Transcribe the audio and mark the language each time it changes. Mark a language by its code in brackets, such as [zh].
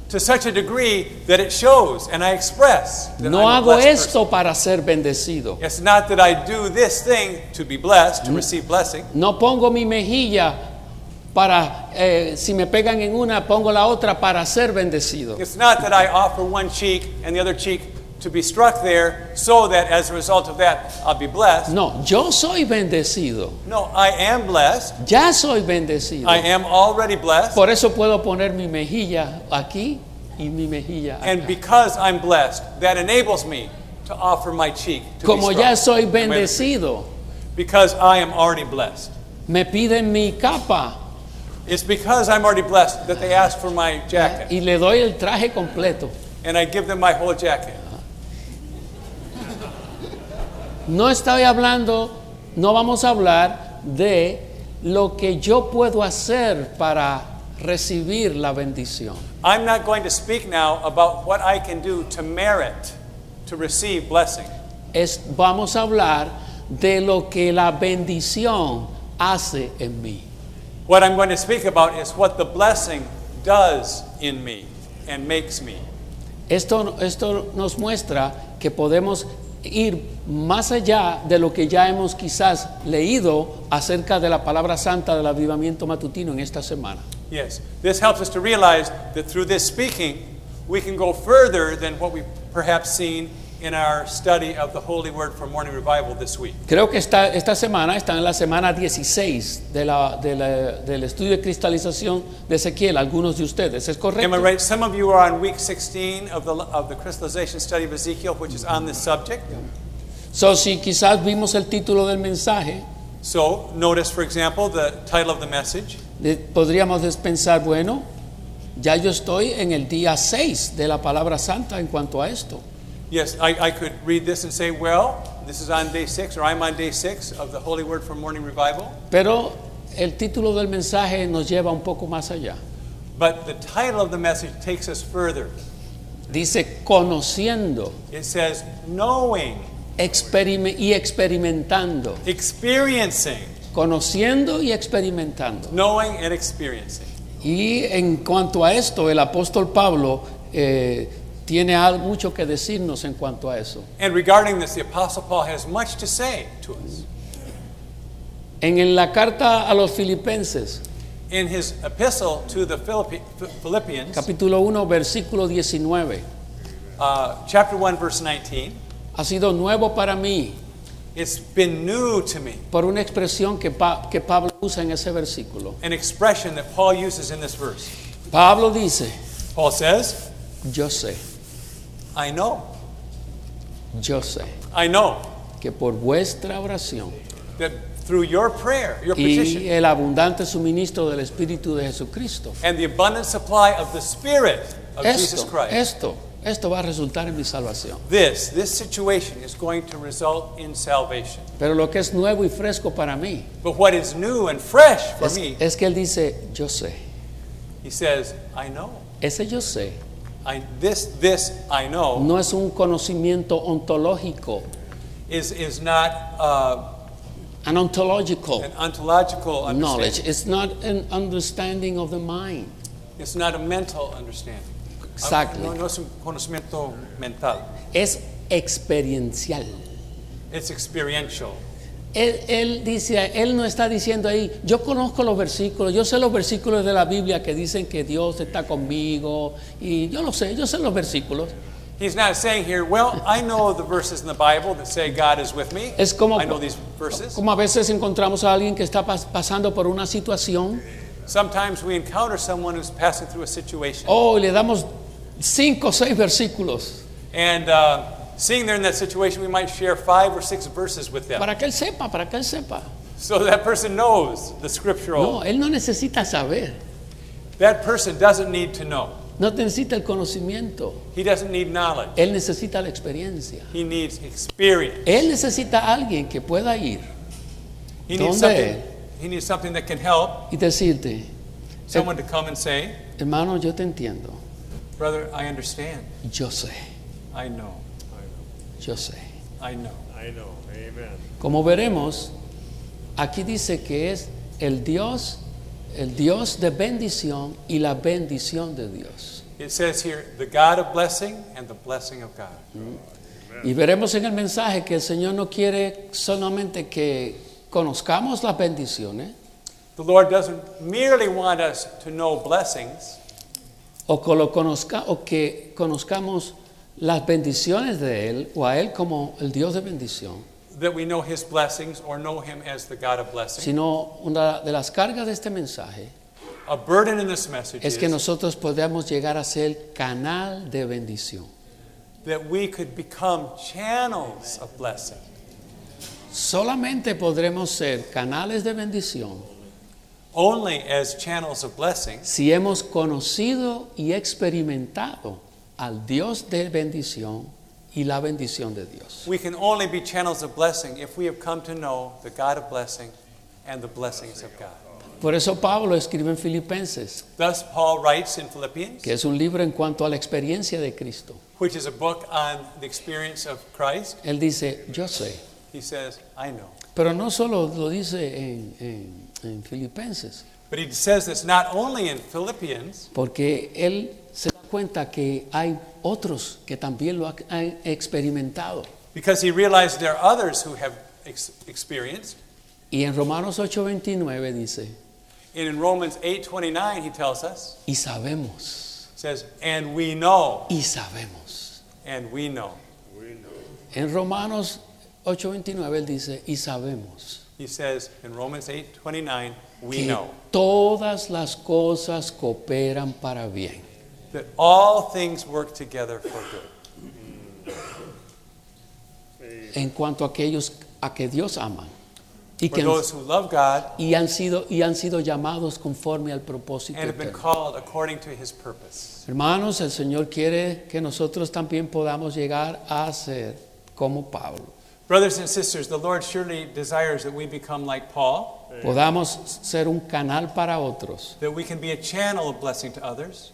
[en] To such a degree that it shows and I express that I'm a blessed [es] No hago esto para ser bendecido. [en] It's not that I do this thing to be blessed, to receive blessing. [es] No pongo mi mejilla para, si me pegan en una, pongo la otra para ser bendecido. [en] It's not that I offer one cheek and the other cheek to be struck there so that as a result of that I'll be blessed. [es] No, yo soy bendecido. [en] No, I am blessed. [es] Ya soy bendecido. [en] I am already blessed. [es] Por eso puedo poner mi mejilla aquí y mi mejilla acá. [en] And because I'm blessed, that enables me to offer my cheek to [es] como [en] be struck. [es] Como ya soy bendecido. [en] Because I am already blessed. [es] Me piden mi capa. [en] It's because I'm already blessed that they ask for my jacket. [es] Y le doy el traje completo. [en] And I give them my whole jacket. [es] No estoy hablando, no vamos a hablar de lo que yo puedo hacer para recibir la bendición. [en] I'm not going to speak now about what I can do to merit to receive blessing. [es] Vamos a hablar de lo que la bendición hace en mí. [en] What I'm going to speak about is what the blessing does in me and makes me. [es] Esto nos muestra que podemos ir más allá de lo que ya hemos quizás leído acerca de la palabra santa del avivamiento matutino en esta semana. [en] Yes, this helps us to realize that through this speaking, we can go further than what we've perhaps seen in our study of the Holy Word for Morning Revival this week. [es] Creo que esta semana está en la semana 16 del estudio de cristalización de Ezequiel. Algunos de ustedes, ¿es correcto? [en] Am I right? Some of you are on week 16 of the crystallization study of Ezekiel, which is on this subject. [es] So, si quizás vimos el título del mensaje. [en] So, notice, for example, the title of the message. [es] Podríamos pensar, bueno, ya yo estoy en el día 6 de la palabra santa en cuanto a esto. [en] Yes, I could read this and say, well, this is on day 6, or I'm on day 6 of the Holy Word for Morning Revival. [es] Pero el título del mensaje nos lleva un poco más allá. [en] But the title of the message takes us further. [es] Dice, conociendo. [en] It says, knowing. [es] Y experimentando. [en] Experiencing. [es] Conociendo y experimentando. [en] Knowing and experiencing. [es] Y en cuanto a esto, el apóstol Pablo tiene mucho que decirnos en cuanto a eso. [en] And regarding this, the Apostle Paul has much to say to us. [es] En la carta a los Filipenses. [en] In his epistle to the Philippians. [es] Capítulo 1, versículo 19. [en] Chapter 1, verse 19. [es] Ha sido nuevo para mí. [en] It's been new to me. [es] Por una expresión que Pablo usa en ese versículo. [en] An expression that Paul uses in this verse. [es] Pablo dice. [en] Paul says. [es] Yo sé. [en] I know. [es] Yo sé. [en] I know. [es] Que por vuestra oración. [en] That through your prayer, your [es] y [en] petition. [es] Y el abundante suministro del Espíritu de Jesucristo. [en] And the abundant supply of the Spirit of Jesus Christ. [es] Esto va a resultar en mi salvación. [en] This situation is going to result in salvation. [es] Pero lo que es nuevo y fresco para mí. [en] But what is new and fresh for me. [es] Es que él dice, yo sé. [en] He says, I know. [es] Ese yo sé. [en] This I know. [es] No es un conocimiento ontológico. [en] Is not an ontological. An ontological understanding. Knowledge. It's not an understanding of the mind. It's not a mental understanding. Exactly. [es] No es un conocimiento mental. Es experiencial. [en] It's experiential. [es] Él no está diciendo ahí, yo conozco los versículos, yo sé los versículos de la Biblia que dicen que Dios está conmigo, y yo sé los versículos. [en] He's not saying here, well, I know the verses in the Bible that say God is with me. [es] Es como, [en] I know these verses. [es] Como a veces encontramos a alguien que está pasando por una situación. [en] Sometimes we encounter someone who's passing through a situation. [es] Y le damos 5 o 6 versículos. [en] And seeing they're in that situation, we might share 5 or 6 verses with them. [es] Para que él sepa, para que él sepa. [en] So that person knows the scriptural. [es] No, él no necesita saber. [en] That person doesn't need to know. [es] No necesita el conocimiento. [en] He doesn't need knowledge. [es] Él necesita la experiencia. [en] He needs experience. [es] Él necesita alguien que pueda ir. [en] He needs something. He needs something that can help. [es] Y decirte, [en] someone to come and say, [es] hermano, yo te entiendo. [en] Brother, I understand. [es] Yo sé. [en] I know. [es] Yo sé. [en] I know. Amen. [es] Como veremos, aquí dice que es el Dios de bendición y la bendición de Dios. [en] It says here, the God of blessing and the blessing of God. [es] Y veremos en el mensaje que el Señor no quiere solamente que conozcamos las bendiciones. [en] The Lord doesn't merely want us to know blessings. [es] O que conozcamos las bendiciones de él o a él como el Dios de bendición. [en] That we know his blessings or know him as the God of blessing. [es] Sino una de las cargas de este mensaje. [en] A burden in this message [es] es que nosotros podamos llegar a ser canal de bendición. [en] That we could become channels of blessing. [es] Solamente podremos ser canales de bendición. [en] Only as channels of blessing. [es] Si hemos conocido y experimentado al Dios de bendición y la bendición de Dios. [en] We can only be channels of blessing if we have come to know the God of blessing and the blessings of God. [es] Por eso Pablo escribe en Filipenses. [en] Thus Paul writes in Philippians. [es] Que es un libro en cuanto a la experiencia de Cristo. [en] Which is a book on the experience of Christ. [es] Él dice, yo sé. [en] He says, I know. [es] Pero no solo lo dice en Filipenses. [en] But he says this not only in Philippians. [es] Porque él se da cuenta que hay otros que también lo han experimentado. [en] Because he realized there are others who have experienced. [es] Y en Romanos 8:29 dice. [en] And in Romans 8:29 he tells us. [es] Y sabemos. [en] Says, and we know. [es] Y sabemos. [en] And we know. [es] En Romanos 8:29 él dice, y sabemos. [en] He says in Romans 8:29, we know. [es] Todas las cosas cooperan para bien. [en] That all things work together for good. [es] En cuanto a aquellos a que Dios ama. Y que [en] those who love God, [es] y han sido llamados conforme al propósito [en] and have been called according to his purpose. [es] Hermanos, el Señor quiere que nosotros también podamos llegar a ser como Pablo. [en] Brothers and sisters, the Lord surely desires that we become like Paul. [es] Podamos ser un canal para otros. [en] That we can be a channel of blessing to others.